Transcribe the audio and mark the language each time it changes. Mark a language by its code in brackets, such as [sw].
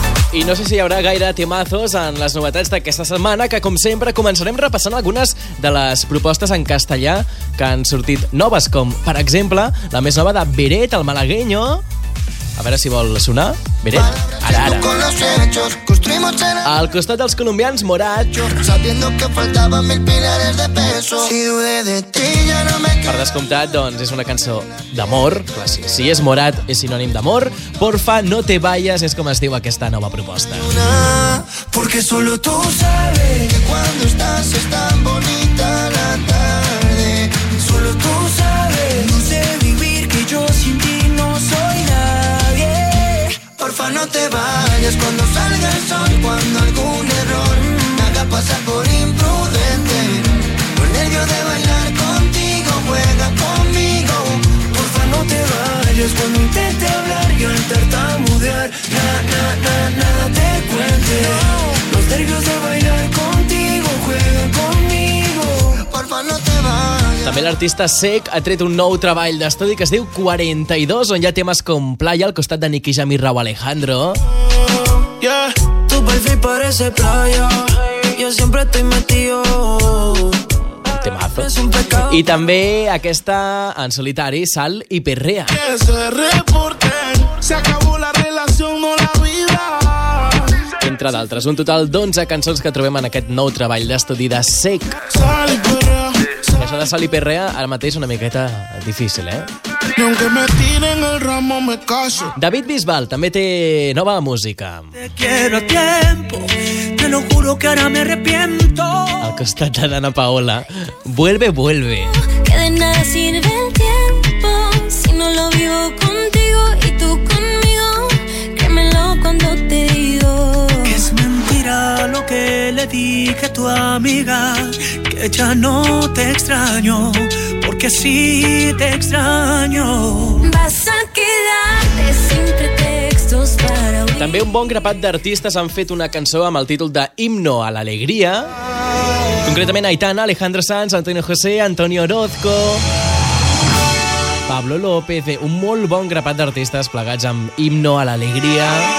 [ca] I no sé si hi haurà gaire temazos en les novetats d'aquesta setmana, que com sempre començarem repassant algunes de les propostes en castellà que han sortit noves, com per exemple la més nova de Beret, el malagueño. A veure si vol sonar. Beret, ara, ara. Al costat dels colombians, Morat. Per descomptat, doncs, és una cançó d'amor. Si és Morat, és sinònim d'amor. Porfa, no te vayas, és com es diu aquesta nova proposta. [es] Porque solo tú sabes que cuando estás es tan bonita la tarde. Solo tú sabes, no sé vivir, que yo sin ti no soy nadie. Porfa, no te vayas cuando salga el sol, cuando algún error me haga pasar por imprudente. Por nervio de bailar contigo, juega conmigo. Porfa, no te vayas cuando intente hablar y al tartamudear nada te cuente. Los nervios de bailar contigo, juega conmigo. Porfa, no te vayas. [ca] També l'artista Sec ha tret un nou treball d'estudi que es diu 42, on hi ha temes com Playa al costat de Nicky Jam i Rauw Alejandro. [es] Yeah, tu perfil parece playa, yo siempre estoy metido. [ca] Temazo. I també aquesta en solitari, Sal i Perrea. [es] Que se reporten, se acabó la relación, no la vida. [ca] Entre d'altres, un total d'11 cançons que trobem en aquest nou treball d'estudi de Sec. Sal i Perrea. Això de Sal i Perrea ara mateix una miqueta difícil, eh? [es] Aunque me tiren el ramo, me caso. [ca] David Bisbal també té nova música. [es] Te quiero a tiempo, te lo juro que ahora me arrepiento. [ca] Al costat de Dana Paola, Vuelve, vuelve. [es] Que de nada sirve el tiempo si no lo vivo contigo y tú conmigo. Créemelo cuando te digo que es mentira lo que le dije a tu amiga. Ya no te extraño, porque sí te extraño. Vas a quedarte sin pretextos para huir. [ca] També un bon grapat d'artistes han fet una cançó amb el títol de Himno a l'Alegria. Concretament Aitana, Alejandro Sanz, Antonio José, Antonio Orozco, Pablo López. Un molt bon grapat d'artistes plegats amb Himno a l'Alegria.